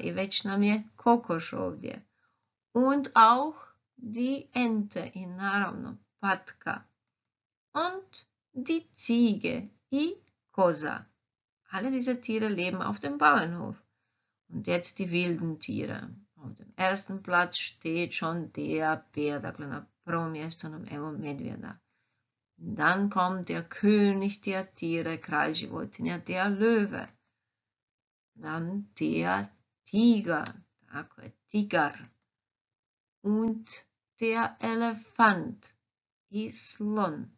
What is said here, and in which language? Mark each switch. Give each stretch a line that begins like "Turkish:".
Croatian: I već nam je kokoš ovdje.
German: Und auch die Ente.
Croatian: I naravno patka.
German: Und die Ziege.
Croatian: I koza.
German: Alle diese Tiere leben auf dem Bauernhof. Und jetzt die wilden Tiere. Auf dem ersten Platz steht schon der Bär.
Croatian: Dakle, na prvom mjestu nam evo medvjeda.
German: Dann kommt der König der Tiere,
Croatian: Kralj životinja,
German: der Löwe. Dann der Tiger,
Croatian: tako je,
German: Tiger. Und der Elefant,
Croatian: i slon.